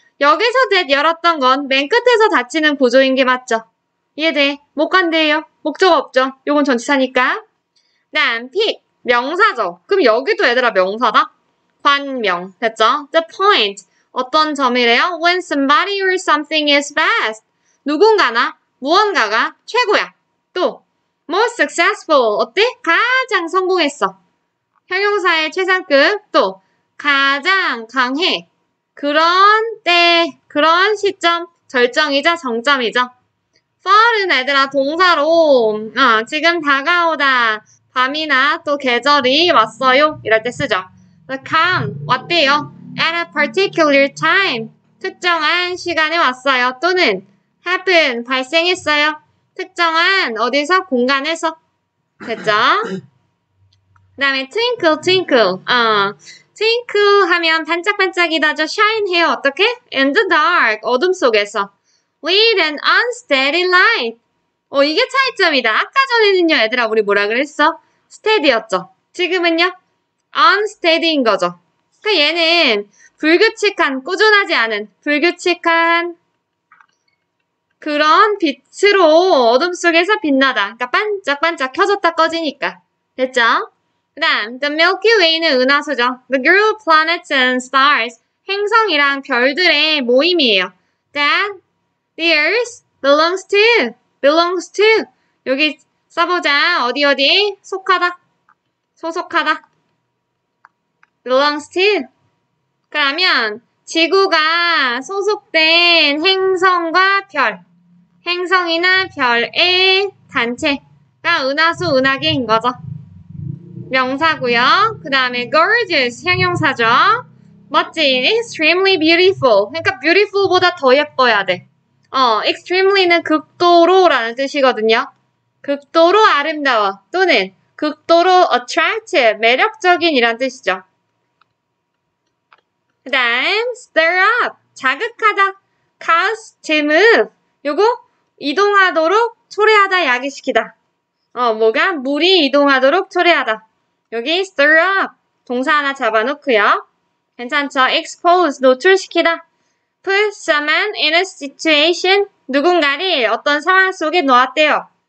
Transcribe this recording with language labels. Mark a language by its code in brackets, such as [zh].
[ko] 여기서 that 열었던 건맨 끝에서 닫히는 구조인 게 맞죠? 이해돼? 못 간대요. 목적 없죠? 요건 전치사니까. 다음, pick, 명사죠? 그럼 여기도 얘들아 명사다? 관명, 됐죠? [en] The point, [ko] 어떤 점이래요? [en] When somebody or something is best. [ko] 누군가나, 무언가가 최고야. 또, [en] most successful, [ko] 어때? 가장 성공했어. 형용사의 최상급, 또, 가장 강해. 그런 때, 그런 시점, 절정이자 정점이죠. fall은 애들아, 동사로, 지금 다가오다. 밤이나 또 계절이 왔어요. 이럴 때 쓰죠. [en] The come, [ko] 왔대요. [en] at a particular time. [ko] 특정한 시간에 왔어요. 또는 happen, 발생했어요. 특정한 어디서? 공간에서. 됐죠? 그 다음에 twinkle twinkle twinkle 하면 반짝반짝이다죠. shine 해요. 어떻게? [en] in the dark, [ko] 어둠 속에서. [en] with an unsteady light. [ko] 이게 차이점이다. 아까 전에는요 얘들아 우리 뭐라 그랬어? steady였죠. 지금은요 unsteady인 거죠. 그 얘는 불규칙한, 꾸준하지 않은 불규칙한 그런 빛으로 어둠 속에서 빛나다. 그러니까 반짝반짝 켜졌다 꺼지니까. 됐죠? 그 다음, The Milky Way는 은하수죠. [en] The group planets and stars. [ko] 행성이랑 별들의 모임이에요. [en] That the Earth belongs to. belongs to. [ko] 여기 써보자. 어디 어디에? 속하다. 소속하다. belongs to. 그러면, 지구가 소속된 행성과 별. 행성이나 별의 단체가 은하수, 은하계인 거죠. 명사고요. 그 다음에 gorgeous 형용사죠. 멋진, [en] extremely beautiful. [ko] 그러니까 beautiful보다 더 예뻐야 돼. extremely는 극도로라는 뜻이거든요. 극도로 아름다워 또는 극도로 attractive, 매력적인 이란 뜻이죠. [en] 그 다음 stir up, 자극하다, cause to move. [ko] 요거 이동하도록 초래하다, 야기시키다. 뭐가? 물이 이동하도록 초래하다. 여기 stir up, 동사 하나 잡아놓고요. 괜찮죠? [en] expose, 노출시키다. put someone in a situation, [ko] 누군가를 어떤 상황 속에 놓았대요.